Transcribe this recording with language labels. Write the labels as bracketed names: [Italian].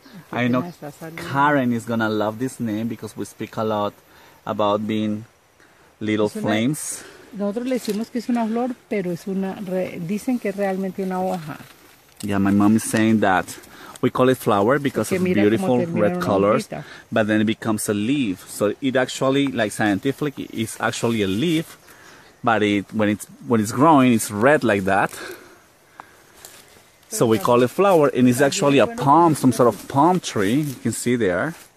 [English] I know Karen is gonna love this name because we speak a lot about being little flames. [Spanish] Nosotros le decimos que es una flor, pero es una, dicen que realmente una hoja. [English] Yeah, my mom is saying that we call it flower because of beautiful red colors, but then it becomes a leaf. So it actually, like scientifically, is actually a leaf, but it when it's growing, it's red like that. So we call it flower, and it's actually a palm, some sort of palm tree. You can see there.